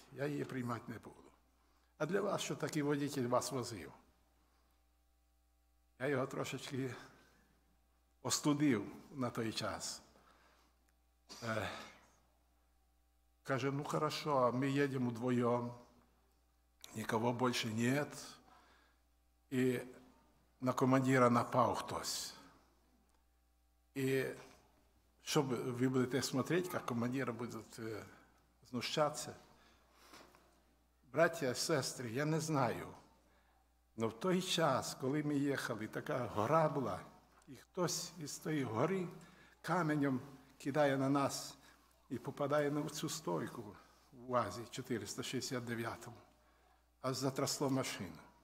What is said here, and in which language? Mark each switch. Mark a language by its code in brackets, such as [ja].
[uk] Я її приймати не буду. А для вас, що такий водитель вас возив? Я його трошечки остудив на той час. Каже, ну хорошо, ми їдемо вдвоєм, [ru] Никого больше нет. И на командира напал кто-то. И чтобы вы будете смотреть, как командира будут знущаться. Братья, сестры, я не знаю, но [uk] в той час, коли ми їхали, така гора була, і хтось із тої гори каменем кидає на нас і попадає на цю стойку в УАЗі 469-му, а затрасло машину.